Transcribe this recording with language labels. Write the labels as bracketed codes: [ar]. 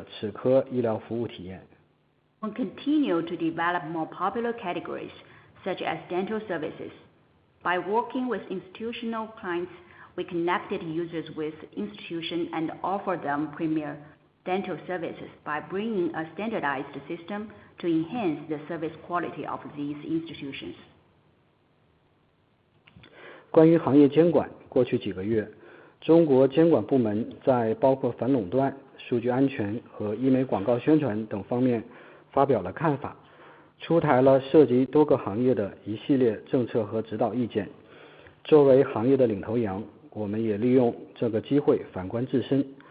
[zh] 在热门品类拓展上，齿科也在持续发力，依托与企业客户的合作，连接用户和医疗机构，通过导入标准化体系，提升医疗机构服务品质，最终为用户提供优质的齿科医疗服务体验。We [en] continue to develop more popular categories such as dental services. By working with institutional clients, we connected users with institutions and offered them premier dental services by bringing a standardized system to enhance the service quality of these institutions. [zh] 关于行业监管，过去几个月，中国监管部门在包括反垄断、数据安全和医美广告宣传等方面发表了看法，出台了涉及多个行业的一系列政策和指导意见。作为行业的领头羊，我们也利用这个机会反观自身。